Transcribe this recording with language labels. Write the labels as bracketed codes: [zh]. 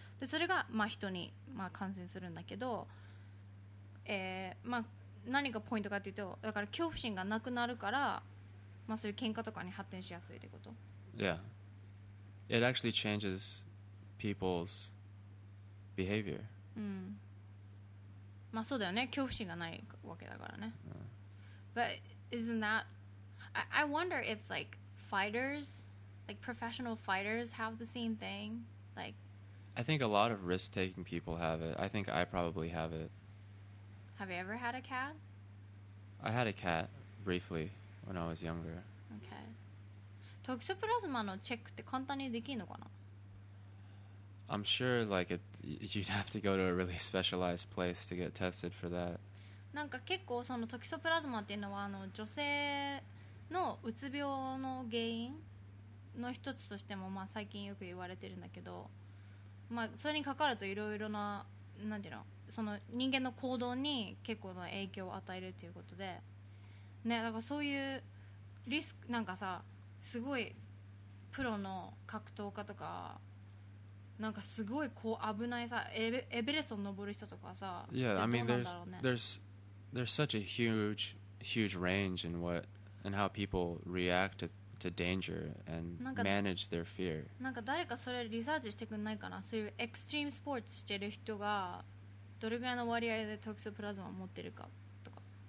[ja] で、それが人に感染するんだけど、何がポイントかっていうと、だから恐怖心がなくなるから、そういう喧嘩とかに発展しやすいってこと。 [en] Yeah, it actually changes people's behavior. [ja] そうだよね。恐怖心がないわけだからね。 [en] But isn't that? I wonder if fighters, professional fighters, have the same thing. I think a lot of risk-taking people have it. I think I probably have it. Have you ever had a cat? I had a cat briefly when I was younger. Okay. [ja] トキソプラズマのチェックって簡単にできるのかな？ [en] I'm sure you'd have to go to a really specialized place to get tested for that. [ja] なんか結構そのトキソプラズマっていうのは、女性のうつ病の原因の一つとしても、最近よく言われてるんだけど、それにかかるといろいろな、なんていうの、その人間の行動に結構の影響を与えるということで、ね、だからそういうリスク、なんかさ、すごいプロの格闘家とか、なんかすごいこう危ないさ、エベレスト登る人とかさ、 [en] Yeah, I mean, there's such a huge range in what and how people react to danger and manage their fear. [ja] なんか誰かそれリサーチしてくんないかな、そういうエクストリームスポーツしてる人がどれぐらいの割合でトキソプラズマ持ってるかとか。